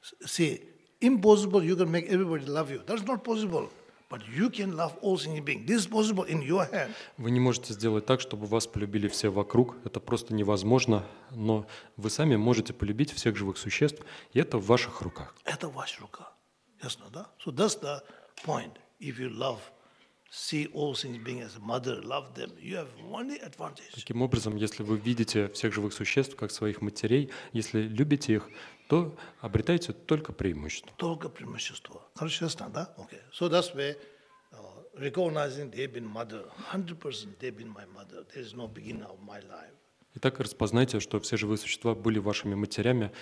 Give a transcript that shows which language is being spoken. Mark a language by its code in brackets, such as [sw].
[en] See, impossible you can make everybody love you. That's not possible. But you can love all sentient beings. This is possible in your hand. [ru] Вы не можете сделать так, чтобы вас полюбили все вокруг. Это просто невозможно. Но вы сами можете полюбить всех живых существ, и это в ваших руках. Это ваша рука. Ясно, да? [en] So that's the point. If you love, see all sentient beings as a mother, love them, you have one advantage. [ru] Таким образом, если вы видите всех живых существ как своих матерей, если любите их, то обретаете только преимущество. Только преимущество. Хорошо, ясно, да? Okay. [en] So that's why recognizing they've been mother, 100% they've been my mother. There is no beginning of my life. [ru] Итак, распознайте, что все живые существа были вашими матерями.